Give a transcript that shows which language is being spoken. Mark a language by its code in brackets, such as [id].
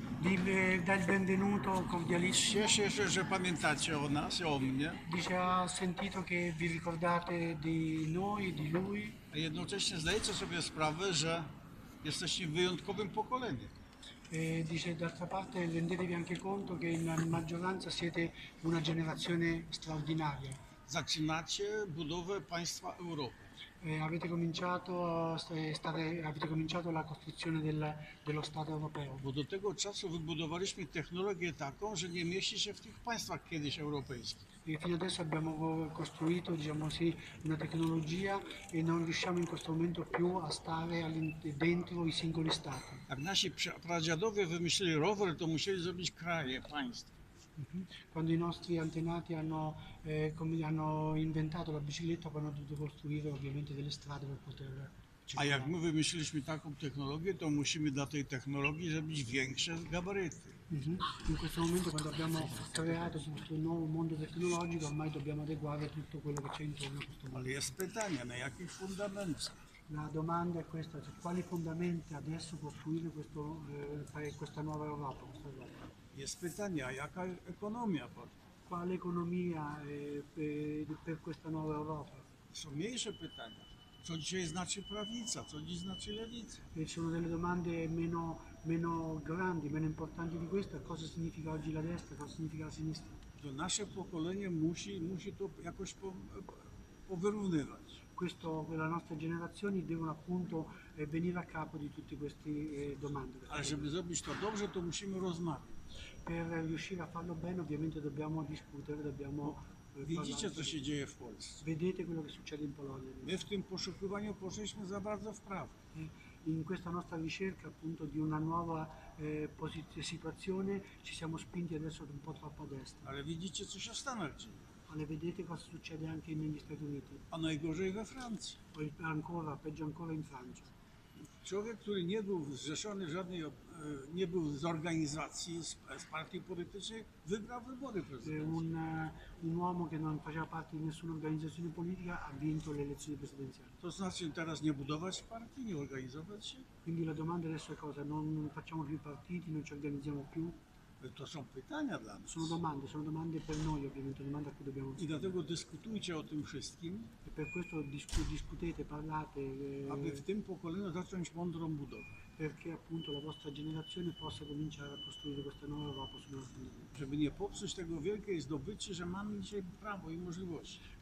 [it] Di dare il benvenuto cordialissimo. [pl] Se pamiętacie o nas, o mnie. [it] Dice, ha sentito che vi ricordate di noi, di lui. [pl] A jednocześnie zdajecie sobie sprawę, że jesteście wyjątkowym pokoleniem. [it] Dice, d'altra parte, rendetevi anche conto che in maggioranza siete una generazione straordinaria. [pl] Zaczynacie budowę państwa Europy. [it] Avete cominciato la costruzione dello Stato europeo. [pl] Bo do tego czasu wybudowaliśmy technologię taką, że nie mieści się w tych państwach kiedyś europejskich. [it] E fino adesso abbiamo costruito, diciamo sì, una tecnologia e non riusciamo in questo momento più a stare dentro i singoli stati. [pl] Jak nasi pradziadowie wymyślili rower, to musieli zrobić kraje, państwa. [it] Quando i nostri antenati hanno inventato la bicicletta, poi hanno dovuto costruire ovviamente delle strade per poter circolare. [pl] A jak my wymyśliliśmy taką technologię, to musimy dla tej technologii zrobić większe gabaryty. [it] In questo momento, quando abbiamo creato questo nuovo mondo tecnologico, ormai dobbiamo adeguare tutto quello che c'è intorno a questo mondo. [pl] Ma jest pytanie, na jakich fundamentach? [it] La domanda è questa, cioè quali fondamenti adesso costruire questa nuova Europa? [pl] Jest pytanie, a jaka ekonomia? [it] Quale economia per questa nuova Europa? [pl] Są mniejsze pytania. Co dzisiaj znaczy prawica? Co dziś znaczy lewica? [it] Sono delle domande meno grandi, meno importanti di questa. Cosa significa oggi la destra? Cosa significa la sinistra? [pl] To nasze pokolenie musi to jakoś powyrównywać. [it] Questo, la nostra generazione devono appunto venire a capo di tutte queste domande. [pl] A żeby zrobić to dobrze, to musimy rozmawiać. [it] Per riuscire a farlo bene ovviamente dobbiamo discutere, dobbiamo vedete cosa si [pl] dzieje w Polsce. [it] Vedete quello che succede in Polonia. [pl] My w tym poszukiwaniu poszliśmy za bardzo w prawo. [it] In questa nostra ricerca appunto di una nuova situazione ci siamo spinti adesso un po' troppo a destra. Ale vedete [pl] co się [it] stanno oggi. Ale vedete cosa succede anche negli Stati Uniti. [pl] A najgorzej we Francji. [it] Poi ancora, peggio ancora in Francia. [pl] Człowiek, który nie był zrzeszony w żadnej, nie był z organizacji, z partii politycznej, wygrał wybory prezydenckie. [it] Un uomo che non faceva parte di nessuna organizzazione politica ha vinto le elezioni presidenziali. [pl] To znaczy teraz nie budować partii, nie organizować się? [it] Quindi la domanda adesso è cosa? Non facciamo più partiti, non ci organizziamo più? [pl] To są pytania dla nas. [it] Sono domande per noi, ovviamente, domande a cui dobbiamo rispondere. [pl] I dlatego dyskutujcie o tym wszystkim. [it] E per questo discutete, parlate. [pl] Aby w tym pokoleniu zacząć mądrą budowę. [it] Perché appunto la vostra generazione possa cominciare a costruire questa nuova Europa sulla nostra. [pl] Żeby nie popsuć tego wielkiej zdobyczy, że mamy dzisiaj prawo i możliwości.